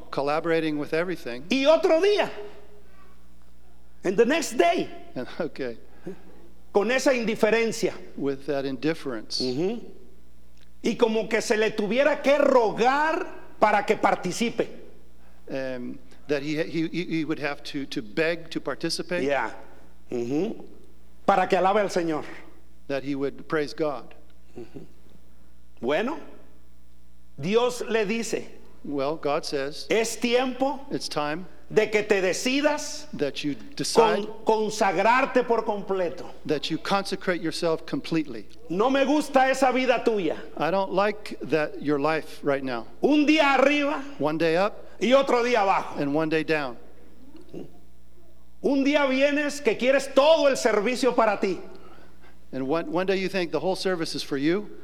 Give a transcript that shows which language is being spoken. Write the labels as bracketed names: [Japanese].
[English] Collaborating with everything. [Spanish] Y otro día. [English] And the next day. Okay. [Spanish] Con esa indiferencia. [English] With that indifference. [Spanish] Y como que se le tuviera que rogar para que participe. [English] That he would have to beg to participate. [Spanish] Yeah. Para que alabe al Señor. [English] That he would praise God. [Spanish] Bueno, Dios le dice. [English] Well, God says. [Spanish] Es tiempo. [English] It's time. [Spanish] De que te decidas. [English] That you decide. [Spanish] Consagrarte por completo. [English] That you consecrate yourself completely. [Spanish] No me gusta esa vida tuya. [English] I don't like that your life right now. [Spanish] Un día arriba. [English] One day up. [Spanish] Y otro día abajo. [English] And one day down. [Spanish] Un día vienes que quieres todo el servicio para ti. [English] And one day you think the whole service is for you.